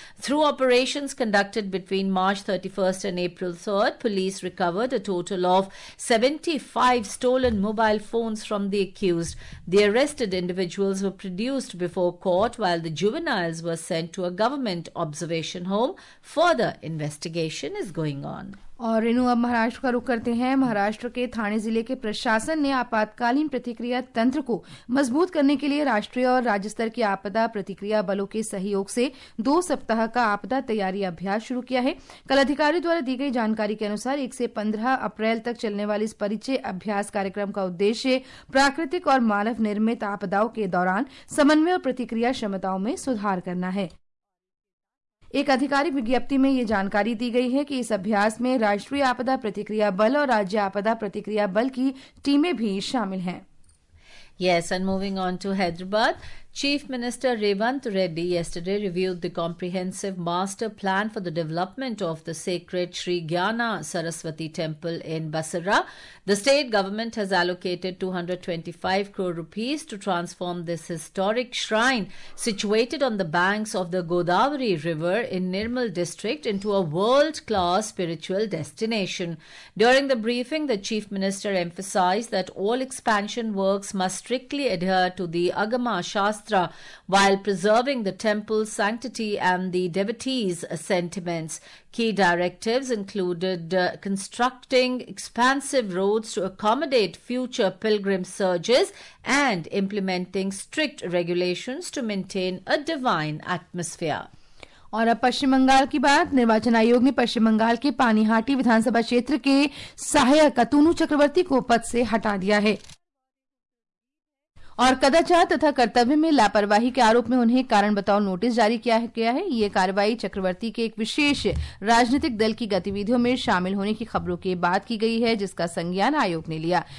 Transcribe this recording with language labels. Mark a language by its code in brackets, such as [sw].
[en] Through operations conducted between March 31st and April 3rd, police recovered a total of 75 stolen mobile phones from the accused. The arrested individuals were produced before court, while the juveniles were sent to a government observation home. Further investigation is going on. [hi] और रेनु अब महाराष्ट्र का रुख करते हैं. महाराष्ट्र के ठाणे जिले के प्रशासन ने आपातकालीन प्रतिक्रिया तंत्र को मजबूत करने के लिए राष्ट्रीय और राज्य स्तर की आपदा प्रतिक्रिया बलों के सहयोग से 2 सप्ताह का आपदा तैयारी अभ्यास शुरू किया है. कल अधिकारी द्वारा दी गई जानकारी के अनुसार 1 से 15 अप्रैल तक चलने वाले इस परिचय अभ्यास कार्यक्रम का उद्देश्य प्राकृतिक और मानव निर्मित आपदाओं के दौरान समन्वय और प्रतिक्रिया क्षमताओं में सुधार करना है. एक आधिकारिक विज्ञप्ति में ये जानकारी दी गई है कि इस अभ्यास में राष्ट्रीय आपदा प्रतिक्रिया बल और राज्य आपदा प्रतिक्रिया बल की टीमें भी शामिल हैं. [en] Yes, and moving on to Hyderabad, Chief Minister Revant Reddy yesterday reviewed the comprehensive master plan for the development of the sacred Sri Gyana Saraswati Temple in Basra. The state government has allocated 225 crore rupees to transform this historic shrine situated on the banks of the Godavari River in Nirmal district into a world-class spiritual destination. During the briefing, the Chief Minister emphasized that all expansion works must strictly adhere to the Agama Shastra while preserving the temple's sanctity and the devotees' sentiments. Key directives included constructing expansive roads to accommodate future pilgrim surges and implementing strict regulations to maintain a divine atmosphere. [hi] और अब पश्चिम बंगाल की बात. निर्वाचन आयोग ने पश्चिम बंगाल के पानीहाटी विधानसभा क्षेत्र के सहायक अतनु चक्रवर्ती को पद से हटा दिया है और कदाचार तथा कर्तव्य में लापरवाही के आरोप में उन्हें कारण बताओ नोटिस जारी किया गया है. ये कार्रवाई चक्रवर्ती के एक विशेष राजनीतिक दल की गतिविधियों में शामिल होने की खबरों के बाद की गई है, जिसका संज्ञान आयोग ने लिया.